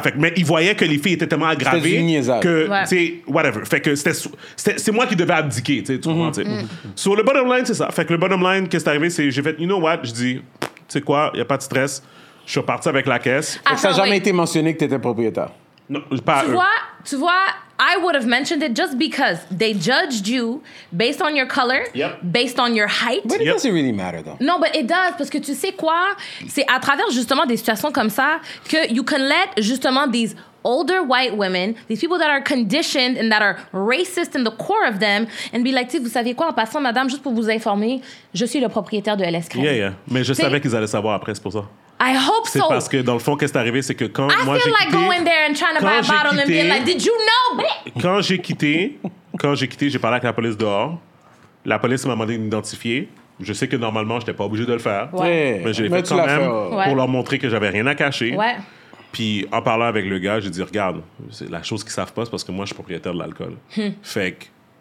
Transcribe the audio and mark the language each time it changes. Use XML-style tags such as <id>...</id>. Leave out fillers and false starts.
<fr>Fait que, mais il voyait que les filles étaient tellement aggravées que tu sais whatever. Fait que c'est moi qui devais abdiquer, tu comprends. Sur le bottom line, c'est ça. Fait que le bottom line, qu'est-ce qui est arrivé, c'est j'ai fait,</fr> <en>you know what,</en> <fr>je dis, tu sais quoi, il y a pas de stress. Je suis parti avec la caisse. Attends, ça n'a jamais été mentionné que tu étais propriétaire. Non, pas tu eux.</fr> <en>Tu vois, I would have mentioned it just because they judged you based on your color, based on your height. But it doesn't really matter, though.</en> <fr>Non, but it does, parce que tu sais quoi? C'est à travers justement des situations comme ça que</fr> <en>you can let justement these older white women, these people that are conditioned and that are racist in the core of them,</en> <fr>and be like, vous savez quoi, en passant, madame, juste pour vous informer, je suis le propriétaire de LS Crème.</fr> <en>Yeah.</en> <fr>Mais je savais qu'ils allaient savoir après, c'est pour ça.</fr> <en>I hope</en> <fr>c'est</fr> <en>so.</en> <fr>C'est parce que dans le fond, qu'est-ce qui est arrivé, c'est que quand moi j'ai</fr> <en>like I feel like going there and trying to buy a bottle and being like, did you know?</en> <fr>Quand j'ai quitté, j'ai parlé avec la police dehors. La police m'a demandé d'identifier. Je sais que normalement, j'étais pas obligé de le faire, mais je l'ai fait quand même pour leur montrer que j'avais rien à cacher. Ouais. Puis en parlant avec le gars, j'ai dit, regarde, c'est la chose qu'ils savent pas, c'est parce que moi, je suis propriétaire de l'alcool. Fait que</fr>